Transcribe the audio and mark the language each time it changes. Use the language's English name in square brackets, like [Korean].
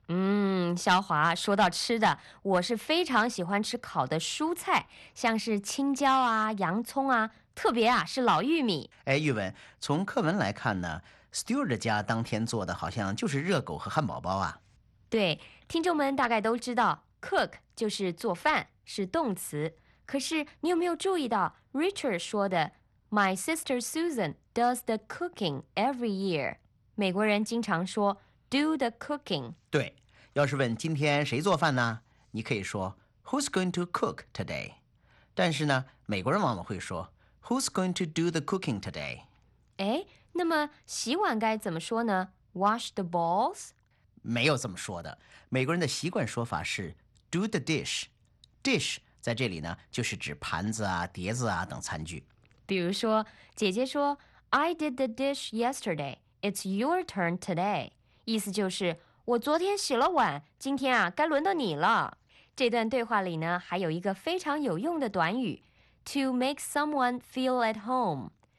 [Chinese] 嗯，小华，说到吃的，我是非常喜欢吃烤的蔬菜，像是青椒啊、洋葱啊，特别啊是老玉米。哎，玉文，从课文来看呢 ，Stewart 家当天做的好像就是热狗和汉堡包啊。对，听众们大概都知道 ，cook 就是做饭，是动词。可是你有没有注意到 Richard 说的 ， [English] My sister Susan does the cooking every year？ [Chinese] 美国人经常说 [English] do the cooking。 [Chinese] 对，要是问今天谁做饭呢，你可以说 [English] Who's going to cook today？ [Chinese] 但是呢，美国人往往会说。 [English] Who's going to do the cooking today? [Chinese] 哎，那么洗碗该怎么说呢 ？ [English] Wash the bowls? [Chinese] 没有这么说的。美国人的习惯说法是 [English] do the dish。 [Chinese] dish 在这里呢，就是指盘子啊、碟子啊等餐具。比如说，姐姐说 ， [English] I did the dish yesterday. It's your turn today. [Chinese] 意思就是我昨天洗了碗，今天啊该轮到你了。这段对话里呢，还有一个非常有用的短语。 [English] To make someone feel at home.